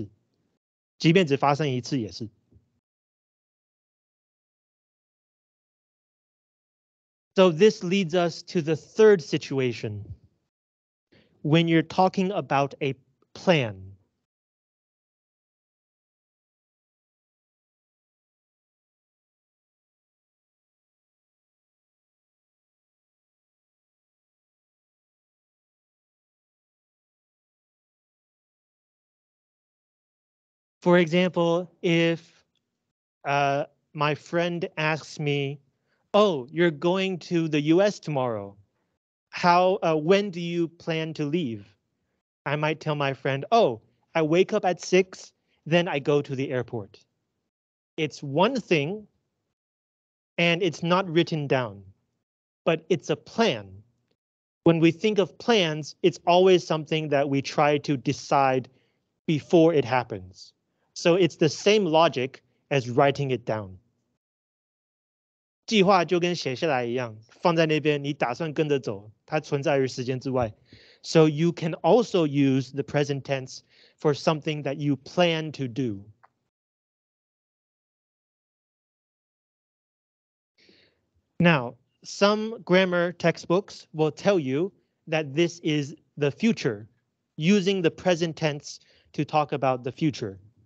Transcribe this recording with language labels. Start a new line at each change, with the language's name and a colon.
Chinese: 因为写下来的东西本来就属于时间之外，你随时要读都可以，所以也不给它一个时态，也是用现在式，即便只发生一次也是。
English: So this leads us to the third situation. When you're talking about a plan, for example, if my friend asks me, "Oh, you're going to the US tomorrow. When do you plan to leave?" I might tell my friend, "Oh, I wake up at 6, then I go to the airport." It's one thing, and it's not written down, but it's a plan. When we think of plans, it's always something that we try to decide before it happens. So it's the same logic as writing it down.
Chinese: 计划就跟写下来一样，放在那边，你打算跟着走，它存在于时间之外。
English: So you can also use the present tense for something that you plan to do. Now, some grammar textbooks will tell you that this is the future, using the present tense to talk about the future.